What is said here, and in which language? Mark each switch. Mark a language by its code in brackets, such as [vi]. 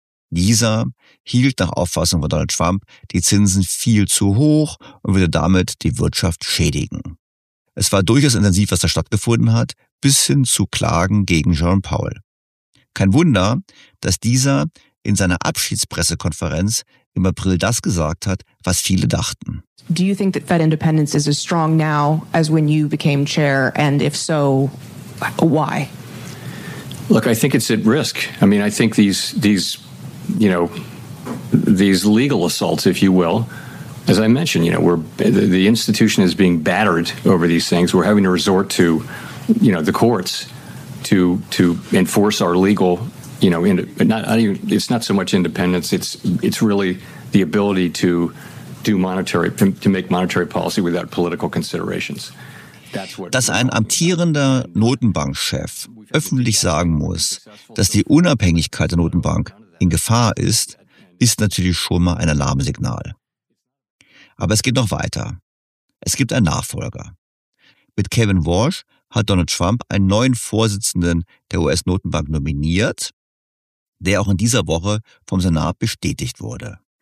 [de] Dieser hielt nach Auffassung von Donald Trump die Zinsen viel zu hoch und würde damit die Wirtschaft schädigen. Es war durchaus intensiv, was da stattgefunden hat, bis hin zu Klagen gegen Jerome Powell. Kein Wunder, dass dieser in seiner Abschiedspressekonferenz im April das gesagt hat, was viele dachten. [en] Do you think that Fed independence is as strong now as when you became chair? And if so, why? Look, I think it's at risk. I mean, I think these legal assaults, if you will, as I mentioned, you know, the institution is being battered over these things. We're having to resort to, you know, the courts to enforce our legal, you know, it's not so much independence. It's really the ability to make monetary policy without political considerations. [de] Dass ein amtierender Notenbankchef öffentlich sagen muss, dass die Unabhängigkeit der Notenbank in Gefahr ist, ist natürlich schon mal ein Alarmsignal. Aber es geht noch weiter. Es gibt einen Nachfolger. Mit Kevin Warsh hat Donald Trump einen neuen Vorsitzenden der US-Notenbank nominiert, der auch in dieser Woche vom Senat bestätigt wurde.